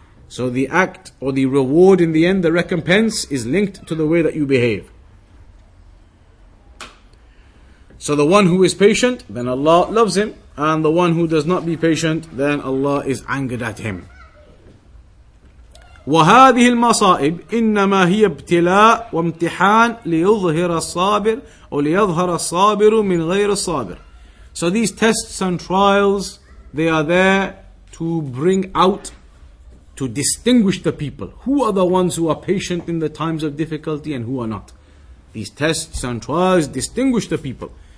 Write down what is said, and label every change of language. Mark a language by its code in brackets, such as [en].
[en] So the act or the reward in the end, the recompense, is linked to the way that you behave. So the one who is patient, then Allah loves him. And the one who does not be patient, then Allah is angered at him. [ar] وهذه المصائب إنما هي ابتلاء وامتحان ليظهر الصابر أو ليظهر الصابر من غير الصابر. [en] So these tests and trials, they are there to bring out, to distinguish the people. Who are the ones who are patient in the times of difficulty and who are not? These tests and trials distinguish the people.